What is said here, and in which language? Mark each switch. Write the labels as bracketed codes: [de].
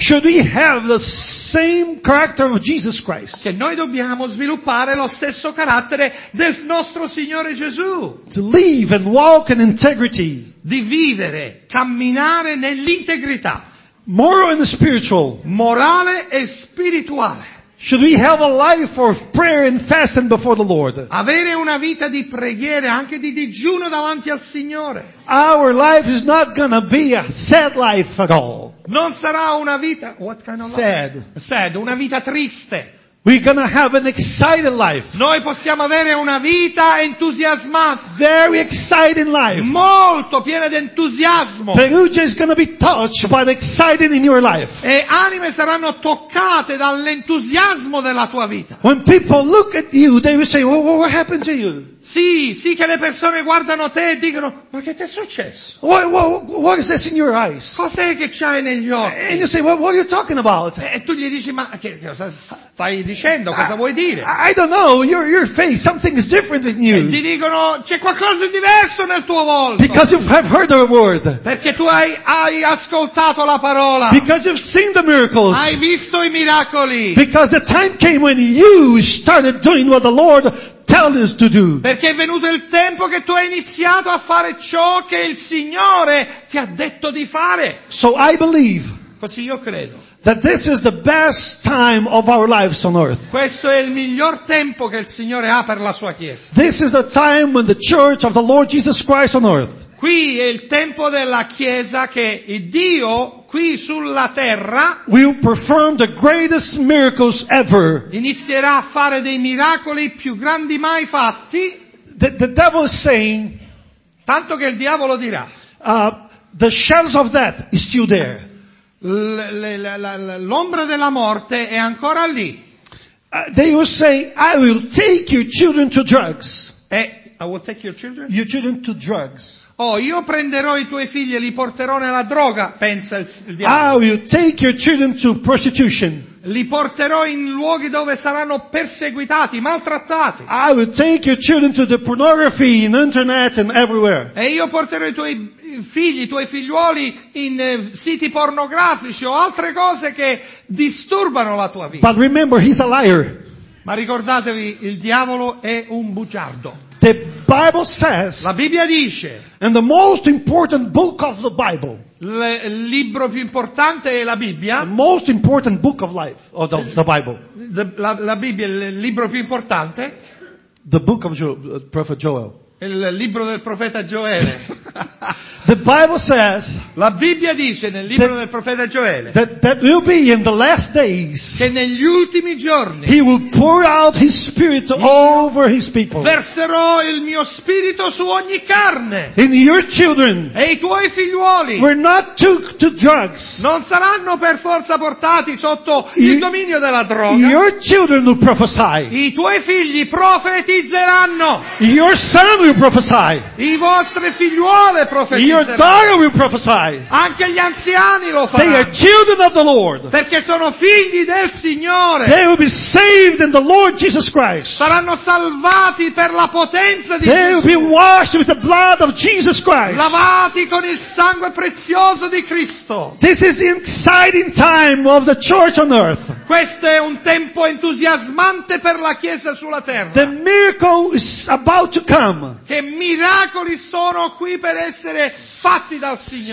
[en] Should we have the same character of Jesus Christ? [it] Che noi dobbiamo sviluppare lo stesso carattere del nostro Signore Gesù. [en] To live and walk in integrity. [it] Di vivere, camminare nell'integrità. [en] Moral and spiritual. [it] Morale e spirituale. [en] Should we have a life of prayer and fasting before the Lord? [it] Avere una vita di preghiere, anche di digiuno davanti al Signore. [en] Our life is not gonna be a sad life at all. [it] Non sarà una vita, [en] what kind of life? Sad. Sad, [it] una vita triste. [en] We're gonna have an excited life. [it] Noi possiamo avere una vita entusiasmata. [en] Very exciting life. [it] Molto piena di entusiasmo. [en] Perugia is gonna be touched by the exciting in your life. [it] E anime saranno toccate dall'entusiasmo della tua vita. [en] When people look at you, they will say, well, "What happened to you?" [it] Sì, sì, che le persone guardano te e dicono, ma che ti è successo? [en] What is this in your eyes? [it] Cos'è che c'hai negli occhi? [en] And you say, what are you talking about? [it] E tu gli dici, ma che cosa stai dicendo? Cosa vuoi dire? [en] I don't know, your face, something is different in you. [it] E ti dicono, c'è qualcosa di diverso nel tuo volto. [en] Because you have heard the word. [it] Perché tu hai ascoltato la parola. [en] Because you've seen the miracles. [it] Hai visto i miracoli. [en] Because the time came when you started doing what the Lord tell us to do. [it] Perché è venuto il tempo che tu hai iniziato a fare ciò che il Signore ti ha detto di fare. [en] So I believe. [it] Così io credo. [en] That this is the best time of our lives on earth. [it] Questo è il miglior tempo che il Signore ha per la sua chiesa. [en] This is the time when the church of the Lord Jesus Christ on earth. [it] Qui è il tempo della chiesa che Dio qui sulla terra [en] will perform the greatest miracles ever. [it] Inizierà a fare dei miracoli più grandi mai fatti. [en] The devil is saying, [it] tanto che il diavolo dirà, [en] the shadows of death is still there. [it] L'ombra della morte è ancora lì. [en] They will say, I will take your children to drugs. I will take your children? Your children to drugs. [it] Oh, io prenderò i tuoi figli e li porterò nella droga, pensa il diavolo. [en] I will take your children to prostitution. [it] Li porterò in luoghi dove saranno perseguitati, maltrattati. [en] I will take your children to the pornography in internet and everywhere. [it] E io porterò i tuoi figli, i tuoi figliuoli in siti pornografici o altre cose che disturbano la tua vita. [en] But remember, he's a liar. [it] Ma ricordatevi, il diavolo è un bugiardo. [en] The Bible says, [it] la Bibbia dice, [en] and the most important book of the Bible, [it] il libro più importante è la Bibbia, [en] the most important book of life, of the Bible, [it] la Bibbia, il libro più importante, [en] the book of Prophet Joel, [it] il libro del profeta Gioele. [en] The Bible says, [it] la Bibbia dice nel libro del profeta Gioele, [en] that will be in the last days, [it] che negli ultimi giorni, [en] he will pour out his spirit over his people. [it] Verserò il mio spirito su ogni carne. [en] In your children, [it] e i tuoi figliuoli, [en] were not took to drugs. [it] Non saranno per forza portati sotto il dominio della droga. [en] Your children will prophesy. [it] I tuoi figli profetizzeranno. [en] Your son will prophesy. [it] I vostri figliuoli profetizzeranno. [en] Your daughter will prophesy. [it] Anche gli anziani lo faranno. [en] They are children of the Lord. [it] Perché sono figli del Signore. [en] They will be saved in the Lord Jesus Christ. [it] Saranno salvati per la potenza di [en] They [it] Gesù. [en] Will be washed with the blood of Jesus Christ. [it] Lavati con il sangue prezioso di Cristo. [en] This is an exciting time of the church on earth. [it] Questo è un tempo entusiasmante per la Chiesa sulla terra. [en] The miracle is about to come. [it] Che miracoli sono qui per essere fatti dal Signore.